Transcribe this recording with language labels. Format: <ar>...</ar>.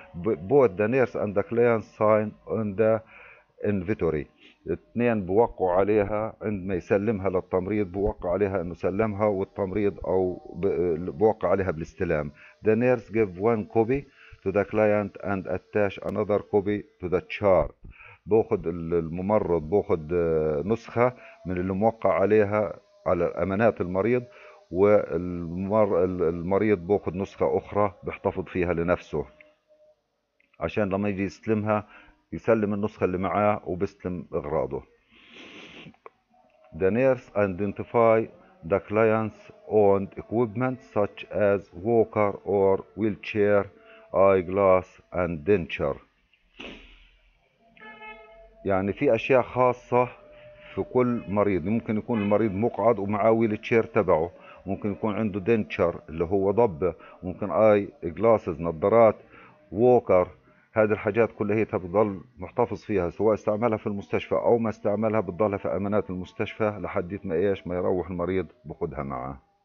<en>Both the nurse and the client sign on the inventory.</en> <ar>اثنين بوقعوا عليها عندما يسلمها للتمريض، بوقع عليها انه سلمها والتمريض او بوقع عليها بالاستلام.</ar> <en>The nurse give one copy to the client and attach another copy to the chart.</en> <ar>باخذ الممرض باخذ نسخة من اللي موقع عليها على أمانات المريض، والمريض باخذ نسخة أخرى بيحتفظ فيها لنفسه عشان لما يجي يسلمها يسلم النسخة اللي معاه وبيسلم أغراضه.</ar> <en>The nurse identify the client's own equipment such as walker or wheelchair, eyeglass and denture.</en> <ar>يعني في اشياء خاصة في كل مريض، ممكن يكون المريض مقعد ومعاه ويلتشير تبعه، ممكن يكون عنده دينتشر اللي هو ضبة، ممكن اي جلاسز نظارات، ووكر، هذه الحاجات كلها هي تظل محتفظ فيها سواء استعملها في المستشفى او ما استعملها بتضلها في امانات المستشفى لحد ما ايش ما يروح المريض بخدها معاه.</ar>